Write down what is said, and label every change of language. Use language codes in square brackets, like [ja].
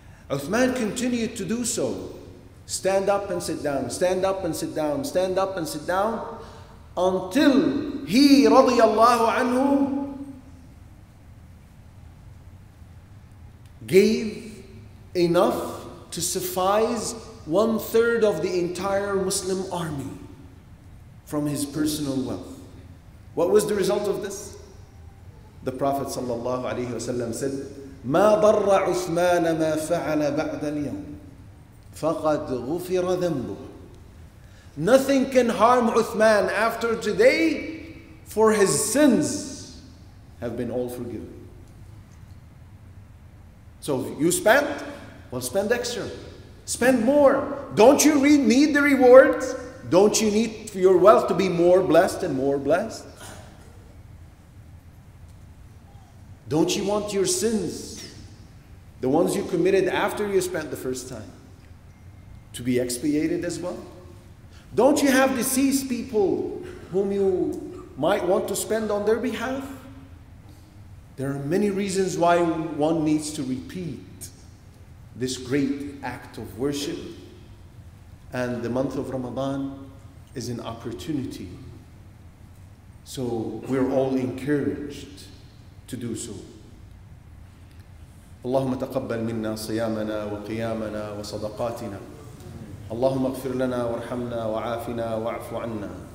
[en] Uthman continued to do so. Stand up and sit down, stand up and sit down, stand up and sit down, until he, radiyallahu anhu, gave enough to suffice one third of the entire Muslim army from his personal wealth. What was the result of this? The Prophet sallallahu alayhi wasallam said, [ar] مَا ضَرَّ عُثْمَانَ مَا فَعَلَ بَعْدَ الْيَوْمِ فَقَدْ غُفِرَ ذَنْبُهُ. [en] Nothing can harm Uthman after today, for his sins have been all forgiven. So you spent? Well, spend extra. Spend more. Don't you need the rewards? Don't you need your wealth to be more blessed and more blessed? Don't you want your sins, the ones you committed after you spent the first time, to be expiated as well? Don't you have deceased people whom you might want to spend on their behalf? There are many reasons why one needs to repeat this great act of worship. And the month of Ramadan is an opportunity. So we're all encouraged to do so. [ar] اللهم تقبل منا صيامنا وقيامنا وصدقاتنا اللهم اغفر لنا وارحمنا وعافنا واعف عنا